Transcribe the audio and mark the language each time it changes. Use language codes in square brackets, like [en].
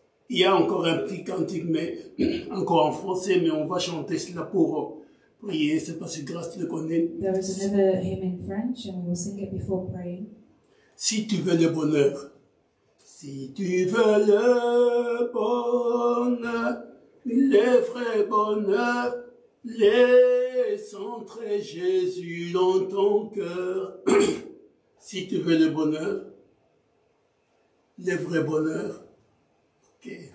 [fr] Il y a encore un petit cantique, mais encore en français, mais on va chanter cela pour prier. C'est parce que grâce, tu le connais. [en] There is another hymn in French, and we will sing it before praying. [fr] Si tu veux le bonheur, si tu veux le bonheur, le vrai bonheur, Laisse entrer Jésus dans ton cœur. Si tu veux le bonheur, le vrai bonheur, ok.